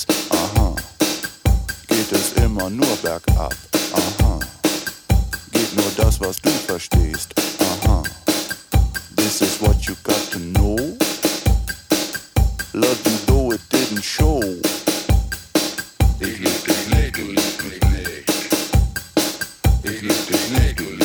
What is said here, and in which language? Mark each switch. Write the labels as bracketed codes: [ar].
[de] Aha, geht es immer nur bergab. Aha, geht nur das, was du verstehst. [en] Aha, this is what you got to know. Love you though it didn't show. [de] Ich lieb dich nicht, du liebst mich nicht. Ich lieb dich nicht.